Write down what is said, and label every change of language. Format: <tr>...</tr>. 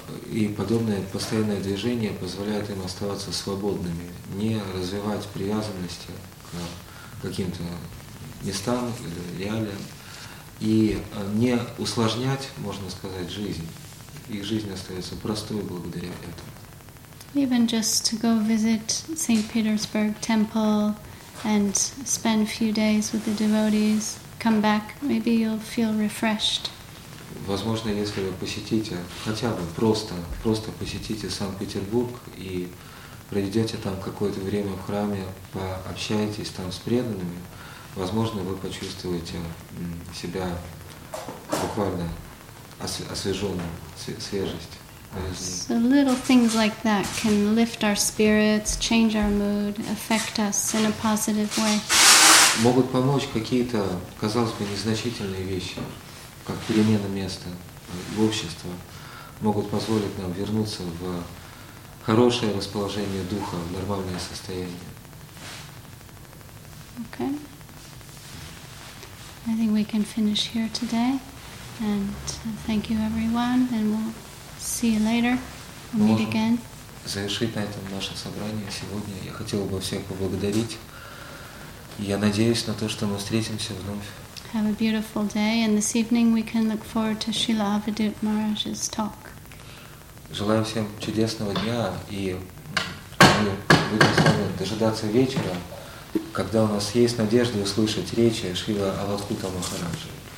<ru>И подобное постоянное движение позволяет им оставаться свободными, не развивать привязанности к каким-то местам или реалиям, и не усложнять, можно сказать, жизнь. Их жизнь остается простой благодаря этому.</ru> <en>Even just to go visit St. Petersburg Temple and spend a few days with the devotees, come back, maybe you'll feel refreshed.</en> <ru>Возможно, если вы посетите, хотя бы просто посетите Санкт-Петербург и проведете там какое-то время в храме, пообщаетесь там с преданными, возможно, вы почувствуете себя буквально освеженным, свежесть.</ru> <en>So little things like that can lift our spirits, change our mood, affect us in a positive way.</en> <ru>Могут помочь какие-то, казалось бы, незначительные вещи, как перемена места в обществе, могут позволить нам вернуться в хорошее расположение духа, в нормальное состояние.</ru> <en>Okay. I think we can finish here today. And thank you everyone, and we'll see you later. We'll meet again.</en> <ru>Завершить на этом наше собрание сегодня. Я хотел бы всех поблагодарить. Я надеюсь на то, что мы встретимся вновь.</ru> <en>Have a beautiful day, and this evening we can look forward to Srila Avadhut Maharaj's talk.</en> <ru>Желаю всем чудесного дня, и мы будем с вами дожидаться вечера, когда у нас есть надежда услышать речи Шрила Авадхута Махараджа.</ru>